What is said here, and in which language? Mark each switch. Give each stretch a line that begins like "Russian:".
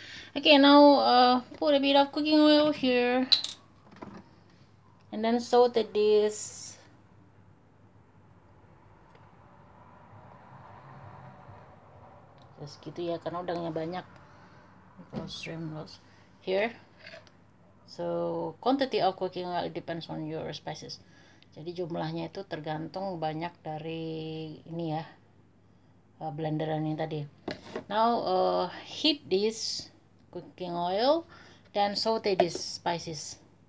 English: Okay, now put a bit of cooking oil here, and then saute this.
Indonesian: Just gitu ya, karena udangnya banyak.
English: Shrimp loss here. So quantity of cooking oil depends on your spices.
Indonesian: Jadi jumlahnya itu tergantung banyak dari ini ya, blenderan ini tadi.
English: Now heat this cooking oil, then saute these spices.